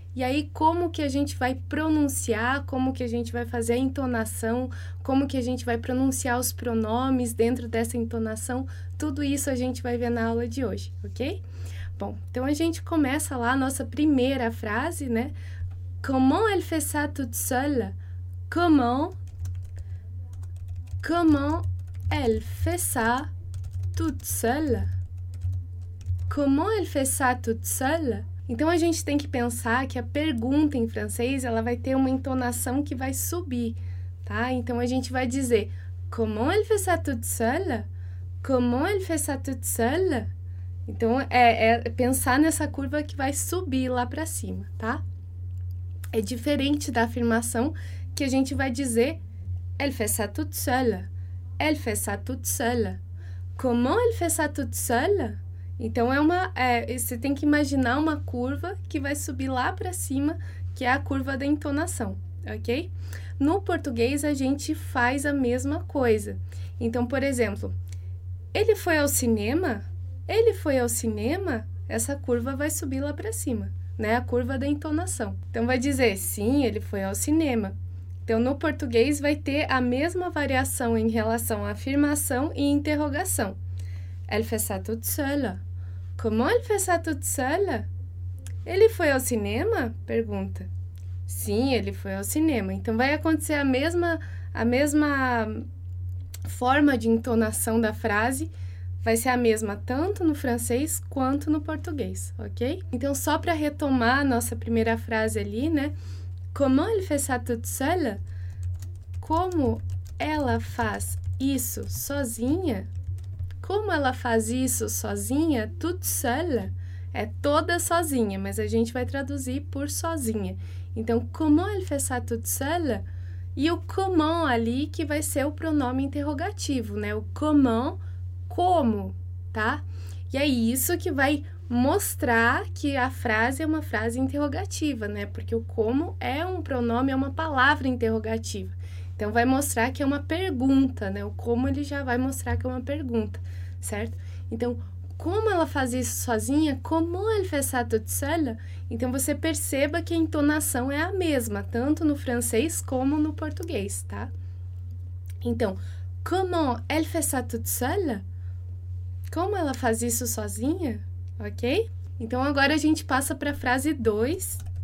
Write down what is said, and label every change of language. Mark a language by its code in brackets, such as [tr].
[pt] E aí, como que a gente vai pronunciar, como que a gente vai fazer a entonação, como que a gente vai pronunciar os pronomes dentro dessa entonação, tudo isso a gente vai ver na aula de hoje, ok? Bom, então a gente começa lá a nossa primeira frase, né? [fr] Comment elle fait ça toute seule? Comment elle fait ça toute seule? Comment elle fait ça toute seule? [pt] Então a gente tem que pensar que a pergunta em francês, ela vai ter uma entonação que vai subir, tá? Então a gente vai dizer: [fr] Comment elle fait ça toute seule? Comment elle fait ça toute seule? [pt] Então, é pensar nessa curva que vai subir lá para cima, tá? É diferente da afirmação que a gente vai dizer: [fr] Elle fait ça toute seule. Elle fait ça toute seule. Comment elle fait ça toute seule? [pt] Então, você tem que imaginar uma curva que vai subir lá para cima, que é a curva da entonação, ok? No português, a gente faz a mesma coisa. Então, por exemplo, ele foi ao cinema? Ele foi ao cinema? Essa curva vai subir lá para cima, né? A curva da entonação. Então vai dizer sim, ele foi ao cinema. Então no português vai ter a mesma variação em relação à afirmação e interrogação. [fr] Elle fait ça toute seule. Comment elle fait ça toute seule? [pt] Ele foi ao cinema? Pergunta. Sim, ele foi ao cinema. Então vai acontecer a mesma forma de entonação da frase. Vai ser a mesma tanto no francês quanto no português, ok? Então, só para retomar a nossa primeira frase ali, né? [fr] Comment elle fait ça toute seule? [pt] Como ela faz isso sozinha? Como ela faz isso sozinha? Toute seule é toda sozinha, mas a gente vai traduzir por sozinha. [fr] Então, comment elle fait ça toute seule? [pt] E o comment ali que vai ser o pronome interrogativo, né? O comment. Como, tá? E é isso que vai mostrar que a frase é uma frase interrogativa, né? Porque o como é um pronome, é uma palavra interrogativa. Então vai mostrar que é uma pergunta, né? O como ele já vai mostrar que é uma pergunta, certo? Então, como ela faz isso sozinha? [fr] Como elle fait ça toute seule? [pt] Então você perceba que a entonação é a mesma, tanto no francês como no português, tá? [fr] Então, comment elle fait ça toute seule? [pt] Como ela faz isso sozinha? Ok? Então agora a gente passa para a frase 2.